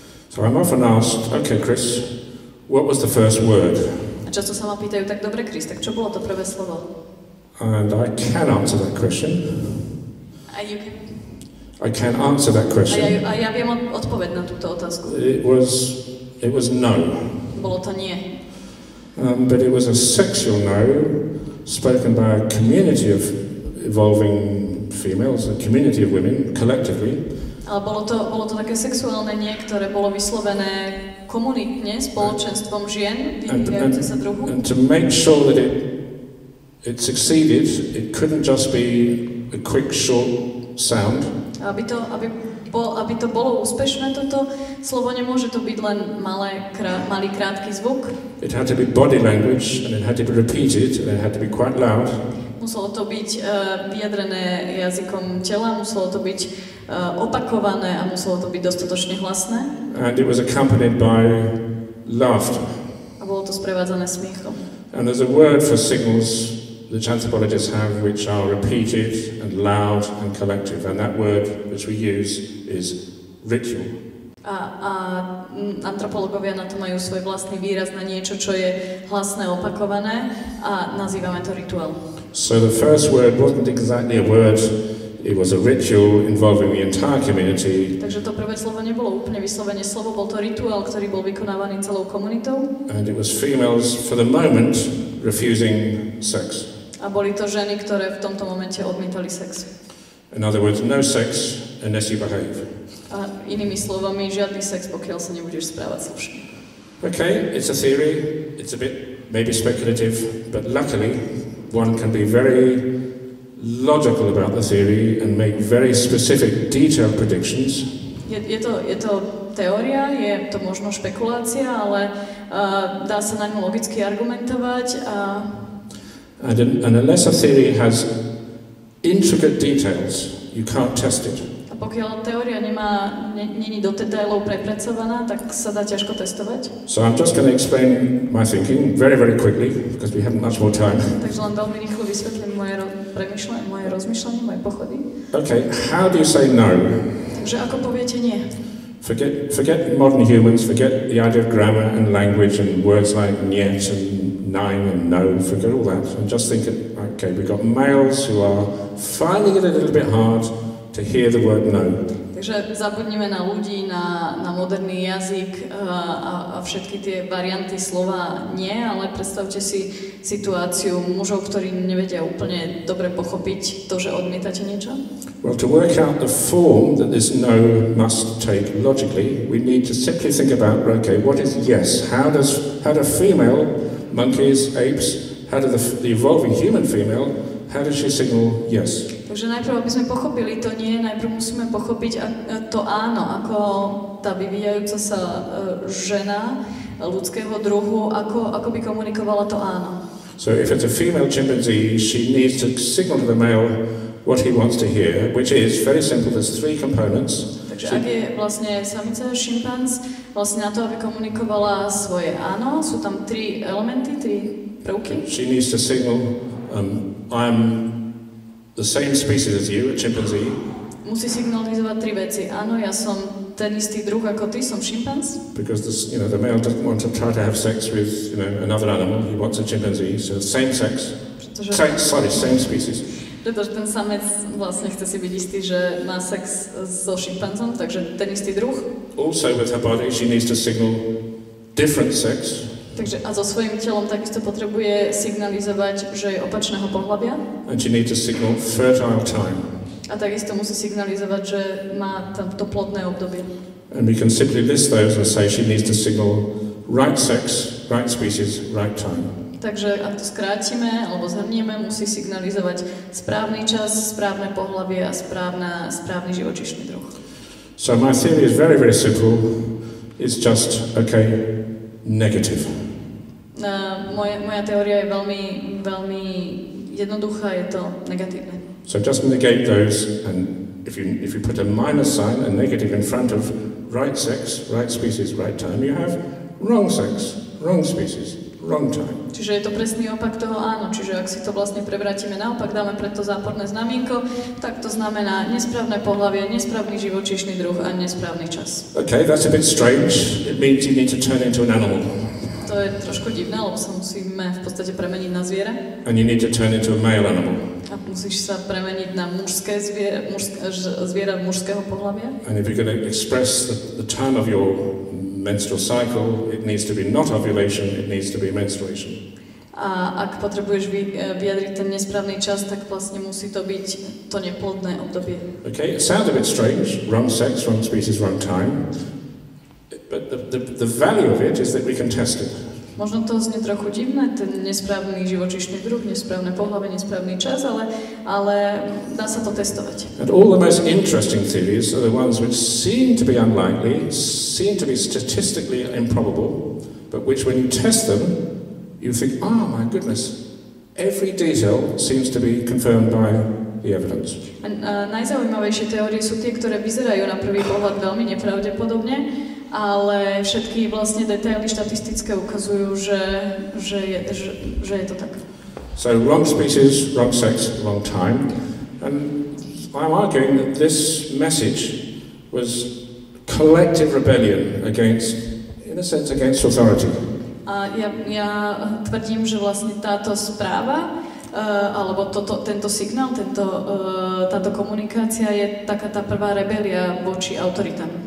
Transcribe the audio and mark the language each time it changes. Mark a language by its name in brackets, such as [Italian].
[English] So I'm often asked, okay, Chris, what was the first word? [Slovak] A často sa ma pýtajú, tak dobre, Chris, tak čo bolo to prvé slovo? [English] And I can answer that question. I can answer that question. [Slovak] A ja viem odpoveď na túto otázku. [English] It was no. [Slovak] Bolo to nie. [English] But it was a sexual no, spoken by a community of evolving females, a community of women, collectively. [Slovak] Ale bolo to také sexuálne nie, ktoré bolo vyslovené komunitne, spoločenstvom žien, vyvíjajúce sa druhu. [English] And to make sure that it succeeded, it couldn't just be a quick, short sound. [Slovak] Aby to bolo úspešné, toto slovo nemôže to byť len malý krátky zvuk. [English] It had to be body language, and it had to be repeated, and it had to be quite loud. [Slovak] Muselo to byť vyjadrené jazykom tela, muselo to byť opakované a muselo to byť dostatočne hlasné. [English] And it was accompanied by laughter. [Slovak] A bolo to sprevádzané smiechom. [English] And there's a word for signals which anthropologists have, which are repeated and loud and collective. And that word which we use is ritual. [Slovak] A antropologovia na to majú svoj vlastný výraz na niečo, čo je hlasné, opakované, a nazývame to rituál. [English] So the first word wasn't exactly a word, it was a ritual involving the entire community. [Slovak] Takže to prvé slovo nebolo úplne vyslovene slovo, bol to rituál, ktorý bol vykonávaný celou komunitou. [English] And it was females for the moment refusing sex. [Slovak] A boli to ženy, ktoré v tomto momente odmietali sex. [English] In other words, no sex unless you behave. [Slovak] A inými slovami, žiadny sex, pokiaľ sa nebudeš správať slušne. [English] Okay, it's a theory, it's a bit maybe speculative, but luckily one can be very logical about the theory and make very specific detailed predictions. [Slovak] Je to teória, je to možno špekulácia, ale dá sa na ňu logicky argumentovať. [English] And unless a theory has intricate details, you can't test it. [Slovak] A Pokiaľ teória nemá není do detailov prepracovaná, tak sa dá ťažko testovať. [English] So I'm just going to explain my thinking very very quickly because we haven't much more time. [Slovak] Takže len veľmi rýchlo vysvetlím moje rozmýšľanie, moje pochody. [English] Okay, how do you say no? [Slovak] Takže ako poviete nie? [English] Forget modern humans, forget the idea of grammar and language and words like niet and nine and no, forget all that. And just think, okay, we've got males who are finding it a little bit hard to hear the word no. [Slovak] Takže zabudnime na ľudí, na moderný jazyk a všetky tie varianty slova nie, ale predstavte si situáciu mužov, ktorí nevedia úplne dobre pochopiť to, že odmietate niečo. [English] Well, to work out the form that this no must take logically, we need to simply think about, okay, what is yes? How do female monkeys, apes, how do the evolving human female, how does she signal yes? [Slovak] Takže najprv, aby sme pochopili to nie, najprv musíme pochopiť to áno, ako tá vyvíjajúca sa žena ľudského druhu, ako by komunikovala to áno. [English] So if it's a female chimpanzee, she needs to signal to the male what he wants to hear, which is very simple, there's three components. [Slovak] Takže ak je vlastne samica šimpanz, vlastne na to, aby komunikovala svoje áno, sú tam tri elementy, tri prvky. [English] She needs to signal, I'm the same species as you, a chimpanzee. [Slovak] Musí signalizovať tri veci. Áno, ja som ten istý druh ako ty, som šimpanz. [English] Because this, you know, the male doesn't want to try to have sex with, you know, another animal. He wants a chimpanzee, so same sex. Same species. [Slovak] Pretože ten samec vlastne chce si byť istý, že má sex so šimpanzom, takže ten istý druh. [English] Also with her body, she needs to signal different sex. [Slovak] Takže a so svojím telom takisto potrebuje signalizovať, že je opačného pohlavia. [English] And she needs to signal fertile time. [Slovak] A takisto musí signalizovať, že má tam to plodné obdobie. [English] And we can simply list those and say she needs to signal right sex, right species, right time. [Slovak] Takže ak to skrátime alebo zhrnieme, musí signalizovať správny čas, správne pohlavie a správny živočíšny druh. [English] So my theory is very, very simple. It's just, okay, negative. [Slovak] Moja teória je veľmi, veľmi jednoduchá, je to negatívne. [English] So just negate those, and if you put a minus sign, a negative in front of right sex, right species, right time, you have wrong sex, wrong species. Wrong time. [Slovak] Čiže je to presný opak toho áno. Čiže ak si to vlastne prevrátime naopak, dáme preto záporné znamienko, tak to znamená nesprávne pohlavie, nesprávny živočíšny druh a nesprávny čas. [English] Okay, that's a bit strange. It means you need to turn into an animal. [Slovak] To je trošku divné, lebo sa musíme v podstate premeniť na zviera. [English] And you need to turn into a male animal. [Slovak] A musíš sa premeniť na mužské zviera mužského pohlavia. [English] And if you're going to express the time of your menstrual cycle, it needs to be not ovulation, it needs to be menstruation. [Slovak] A ak potrebuješ vyjadriť ten nesprávny čas, tak vlastne musí to byť to neplodné obdobie. [English] Okay, it sounds a bit strange, wrong sex, wrong species, wrong time, but the value of it is that we can test it. [Slovak] Možno to znie trochu divné, ten nesprávny živočíšny druh, nesprávne pohlavie, nesprávny čas, ale dá sa to testovať. [English] And all the most interesting theories are the ones which seem to be unlikely, seem to be statistically improbable, but which when you test them, you think, oh my goodness, every detail seems to be confirmed by the evidence. [Slovak] Najzaujímavejšie teórie sú tie, ktoré vyzerajú na prvý pohľad veľmi nepravdepodobne, ale všetky vlastne detaily štatistické ukazujú, že je to tak. [English] So wrong species, wrong sex, wrong time. And I'm arguing that this message was collective rebellion against, in a sense, against authority. [Slovak] A ja tvrdím, že vlastne táto správa alebo tento signál, táto komunikácia je taká tá prvá rebelia voči autoritám.